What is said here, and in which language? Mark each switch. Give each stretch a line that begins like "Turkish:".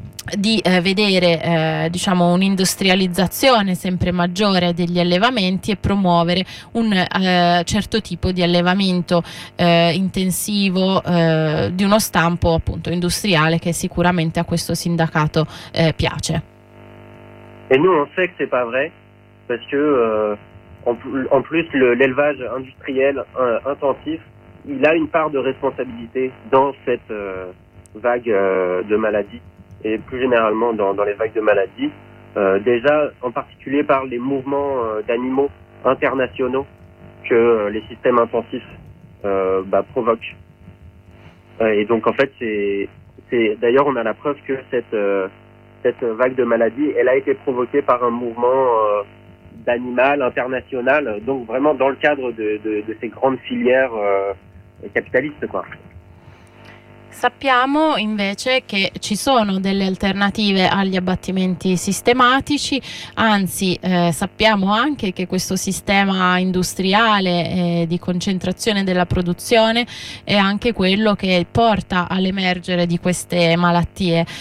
Italian: di vedere un'industrializzazione sempre maggiore degli allevamenti e promuovere un certo tipo di allevamento intensivo di uno stampo appunto industriale, che sicuramente a questo sindacato piace. E noi
French: on sait que c'est pas vrai, parce que en plus l'élevage industriel intensif, il a une part de responsabilité dans cette vague de maladies. Et plus généralement dans les vagues de maladies, déjà en particulier par les mouvements d'animaux internationaux que les systèmes intensifs provoquent. Et donc en fait, c'est d'ailleurs, on a la preuve que cette vague de maladies, elle a été provoquée par un mouvement d'animal international, donc vraiment dans le cadre de ces grandes filières capitalistes, quoi.
Italian: Sappiamo invece che ci sono delle alternative agli abbattimenti sistematici, anzi sappiamo anche che questo sistema industriale di concentrazione della produzione è anche quello che porta all'emergere di queste malattie.